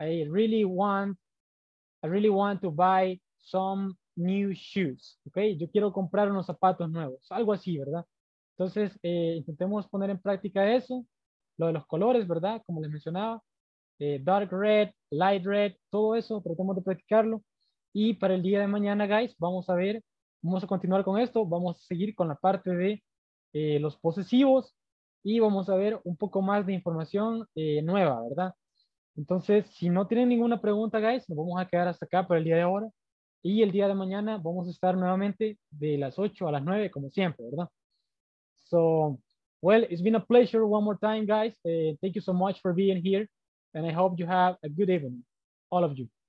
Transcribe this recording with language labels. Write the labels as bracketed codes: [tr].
[en] I really want to buy some new shoes. Okay? [es] Yo quiero comprar unos zapatos nuevos, algo así, ¿verdad? Entonces, intentemos poner en práctica eso, lo de los colores, ¿verdad? Como les mencionaba, dark red, light red, todo eso, tratemos de practicarlo. Y para el día de mañana, guys, vamos a continuar con esto, vamos a seguir con la parte de los posesivos y vamos a ver un poco más de información nueva, ¿verdad? Entonces, si no tienen ninguna pregunta, guys, nos vamos a quedar hasta acá por el día de ahora y el día de mañana vamos a estar nuevamente de las 8 a las 9, como siempre, ¿verdad? [en] So, well, it's been a pleasure one more time, guys. Thank you so much for being here and I hope you have a good evening, all of you.